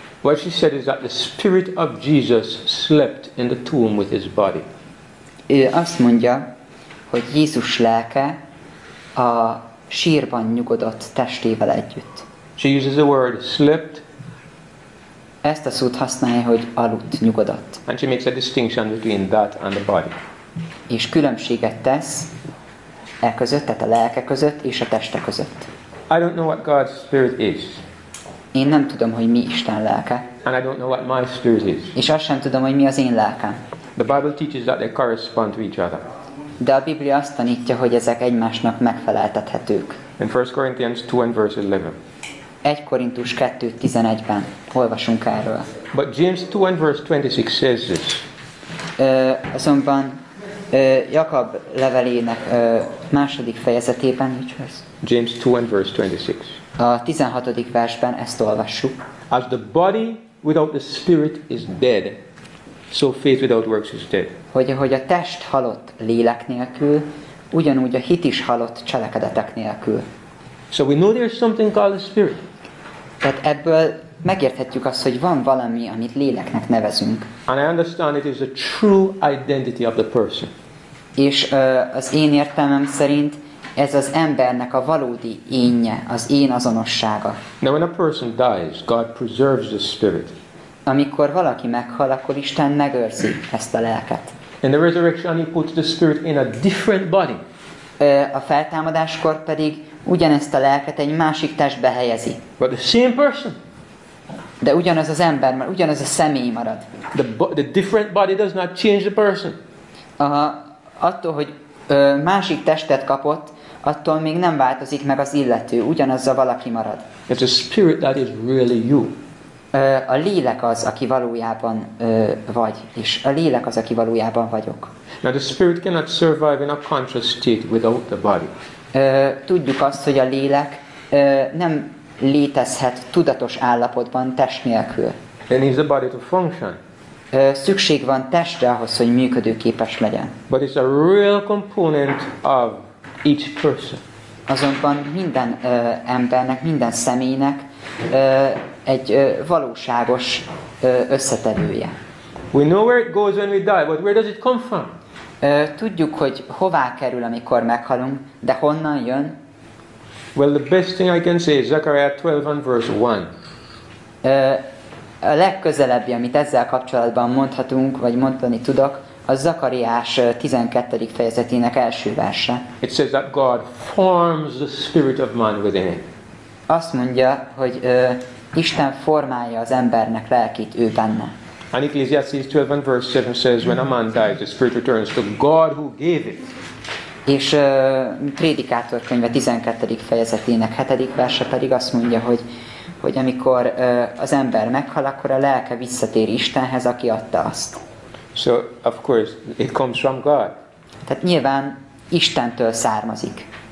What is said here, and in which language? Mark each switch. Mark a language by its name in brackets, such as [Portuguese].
[English] What she said is that the spirit of Jesus slept in the tomb with his body. [Hungarian] Azt mondja, hogy Jézus lelke a sírban nyugodott testével együtt. [English] She uses the word slept. [Hungarian] Ezt a szót használja, hogy aludt, nyugodott. [English] And she makes a distinction between that and the body. [Hungarian] És különbséget tesz e között, tehát a lelke között és a teste között. [English] I don't know what God's spirit is. [Hungarian] Én nem tudom, hogy mi Isten lelke. [English] And I don't know what my spirit is. [Hungarian] És azt sem tudom, hogy mi az én lelkem. [English] The Bible teaches that they correspond to each other. [Hungarian] De a Biblia azt tanítja, hogy ezek egymásnak megfeleltethetők. [English] In 1 Corinthians 2 and verse 11. [Hungarian] 1 Korintus 2:11-ben olvasunk erről. [English] But James 2 and verse 26 says this. [Hungarian] Azonban Jakab levelének második fejezetében, [English] which verse? James 2 and verse 26. [Hungarian] A 16. versben ezt olvassuk. [English] As the body without the spirit is dead, so faith without works is dead. [Hungarian] Hogy ahogy a test halott lélek nélkül, ugyanúgy a hit is halott cselekedetek nélkül. [English] So we know there's something called the spirit. [Hungarian] Tehát ebből megérthetjük azt, hogy van valami, amit léleknek nevezünk. [English] And I understand it is a true identity of the person. [Hungarian] És az én értelmem szerint ez az embernek a valódi énje, az én azonossága. [English] Now when a person dies, God preserves the spirit. [Hungarian] Amikor valaki meghal, akkor Isten megőrzi ezt a lelket. [English] In the resurrection he puts the spirit in a different body. [Hungarian] A feltámadáskor pedig ugyanezt a lelket egy másik testbe helyezi. [English] But the same person. [Hungarian] De ugyanaz az ember, ugyanaz a személy marad. [English] The different body does not change the person. [Hungarian] Attól, hogy másik testet kapott, attól még nem változik meg az illető, ugyanaz a valaki marad. [English] It's the spirit that is really you. [Hungarian] A lélek az, aki valójában vagy, és a lélek az, aki valójában vagyok. [English] Now the spirit cannot survive in a conscious state without the body. [Hungarian] Tudjuk azt, hogy a lélek nem létezhet tudatos állapotban test nélkül. [English] It needs the body to function. [Hungarian] Szükség van testre ahhoz, hogy működőképes legyen. [English] But it's a real component of each person. [Hungarian] Azonban minden embernek, minden személynek egy valóságos összetevője. [English] We know where it goes when we die, but where does it come from? [Hungarian] Tudjuk, hogy hová kerül, amikor meghalunk, de honnan jön? [English] Well, the best thing I can say is Zechariah 12 and verse 1. [Hungarian] A legközelebbi, amit ezzel kapcsolatban mondhatunk, vagy mondani tudok, az Zakariás 12. fejezetének első verse. [English] It says that God forms the spirit of man within him. [Hungarian] Azt mondja, hogy Isten formálja az embernek lelkét ő benne. [English] And Ecclesiastes 12 and verse 7 says, when a man dies, the spirit returns to God who gave it. [Hungarian] És Prédikátor könyve 12. fejezetének 7. verse pedig azt mondja, hogy hogy amikor az ember meghal, akkor a lelke visszatér Istenhez, aki adta azt. [English] So of course it comes from God. [Hungarian] Tehát nyilván Istentől származik.